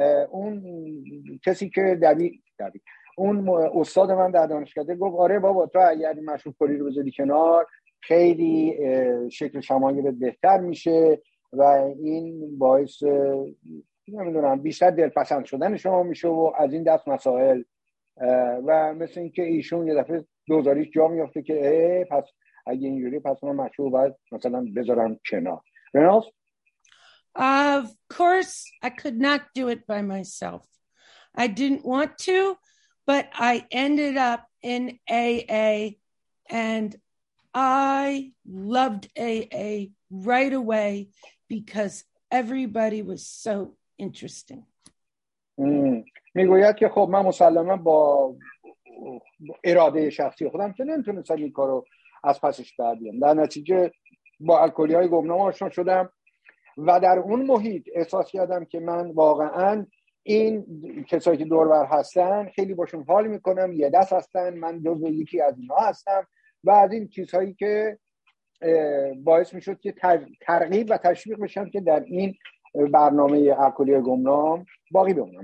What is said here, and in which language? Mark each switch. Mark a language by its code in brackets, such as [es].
[fa] اون کسی که اون استاد من در دانشکده گفت آره بابا تو اگر مشروب خوری رو بذاری کنار خیلی شکل شمایلت بهتر میشه و این باعث نمیدونم بیشتر دلپسند شدن شما میشه و از این دست مسائل و مثل این که ایشون یه دفعه دوزاریش جا میافته که پس اگه اینجوری پس من مشروع باید مثلا بذارم کنار. رنالز؟ [en] Of course I could not do it by myself. I didn't want to, but I ended up in AA and I loved AA right away because everybody was so interesting. [fa] میگوید که خب من مسلماً با اراده شخصی خودم که نمیتونستم این کارو از پسش بردیم، در نتیجه با الکلی های گمنام آشنا شدم و در اون محیط احساس کردم که من واقعاً این کسایی که دوربر هستن خیلی باشون حال میکنم، یه دست هستن، من جزء یکی از اینا هستم و از این چیزهایی که باعث میشد که ترغیب و تشویق بشم که در این برنامه الکلی های گمنام باقی بمونم.